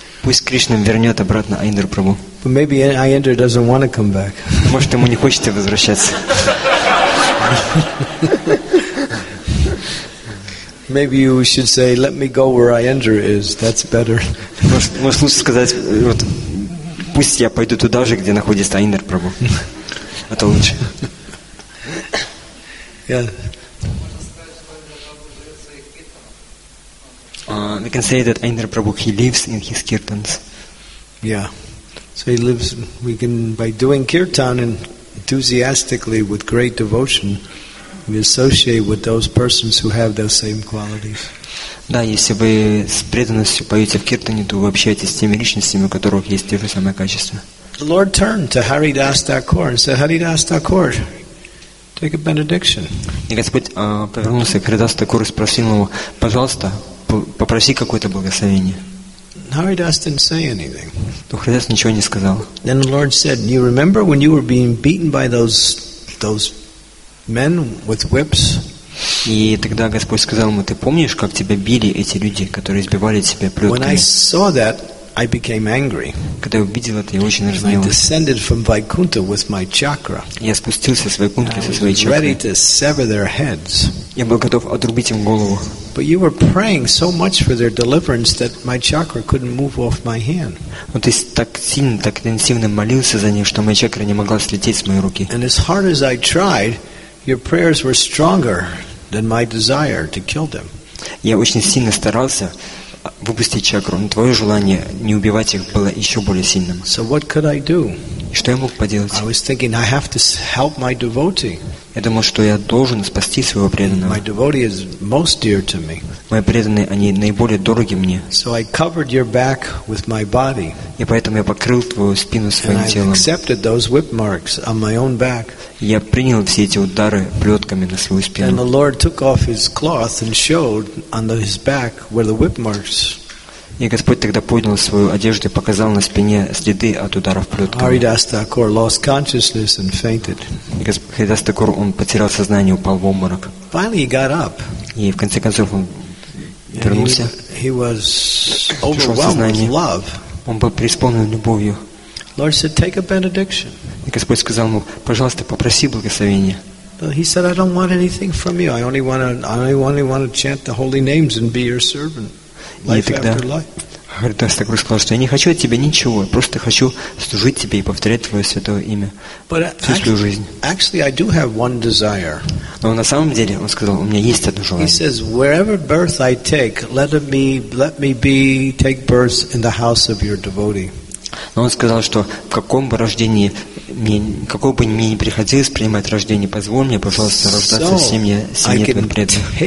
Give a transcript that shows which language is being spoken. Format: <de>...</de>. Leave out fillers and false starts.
<ru>Пусть Кришна вернет обратно Айндру Прабу.</ru> <en>But maybe Айндра doesn't want to come back.</en> <ru>Может, ему не хочется возвращаться.</ru> <en>Maybe you should say, "Let me go where Айндра is." That's better.</en> <ru>Может, лучше сказать, вот, пусть я пойду туда же, где находится Айндра Прабу. Это лучше.</ru> <en>Yeah. We can say that Aindra Prabhu, he lives in his kirtans. Yeah. So he lives, we can, by doing kirtan and enthusiastically with great devotion, we associate with those persons who have those same qualities.</en> <ru>Да, если вы с преданностью поете в киртане, то вы общаетесь с теми личностями, у которых есть те же самые качества.</ru> <en>The Lord turned to Haridas Thakur and said, Haridas Thakur, take a benediction.</en> <ru>И Господь повернулся к Haridas Thakur и спросил его, пожалуйста, попроси какое-то благословение.</ru> <en>Haridas didn't say anything.</en> <ru>Haridas ничего не сказал.</ru> <en>Then the Lord said, "You remember when you were being beaten by those men with whips?"</en> <ru>И тогда Господь сказал ему, "Ты помнишь, как тебя били эти люди, которые избивали тебя плетками?"</ru> <en>When I saw that, I became angry.</en> <ru>Когда я увидел это, я очень разозлился.</ru> <en>I descended from Vaikuntha with my chakra.</en> <ru>Я спустился с Вайкунты со своей чакрой.</ru> <en>Ready to sever their heads.</en> <ru>Я был готов отрубить им голову.</ru> <en>But you were praying so much for their deliverance that my chakra couldn't move off my hand.</en> <ru>Но ты так сильно, так интенсивно молился за них, что моя чакра не могла слететь с моей руки.</ru> <en>And as hard as I tried, your prayers were stronger than my desire to kill them.</en> <ru>Я очень сильно старался выпустить чакру, но твое желание не убивать их было еще более сильным.</ru> <en>So what could I do?</en> <ru>Что я мог поделать?</ru> <en>I was thinking I have to help my devotee.</en> <ru>Я думал, что я должен спасти своего преданного.</ru> <en>My devotee is most dear to me.</en> <ru>Мои преданные, они наиболее дороги мне.</ru> <en>So I covered your back with my body.</en> <ru>И поэтому я покрыл твою спину своим</ru> <en>And</en> <ru>телом.</ru> <en>I accepted those whip marks on my own back.</en> <ru>Я принял все эти удары плетками на свою спину.</ru> <en>And the Lord took off his cloth and showed on his back where the whip marks.</en> <ru>И Господь тогда поднял свою одежду и показал на спине следы от ударов плетками. И Haridas Thakur, он потерял сознание, упал в обморок.</ru> <en>Finally he got up.</en> <ru>И в конце концов он вернулся.</ru> <en>He was overwhelmed with love.</en> <ru>Он был преисполнен любовью.</ru> <en>Lord said, take a benediction.</en> <ru>И Господь сказал ему, пожалуйста, попроси благословения.</ru> <en>He said, "I don't want anything from you. I only want to chant the holy names and be your servant, life after life."</en> <ru>Христос так сказал, что я не хочу от тебя ничего, просто хочу служить тебе и повторять твое святое имя всю свою жизнь.</ru> <en>Actually, I do have one desire.</en> <ru>Но на самом деле, он сказал, у меня есть одно желание.</ru> <en>He says, "Wherever birth I take, let me take birth in the house of your devotee."</en> <ru>Но он сказал, что в каком бы рождении мне, какого бы мне ни приходилось принимать рождение, позволь мне, пожалуйста, рождаться в семье твоих преданных.</ru>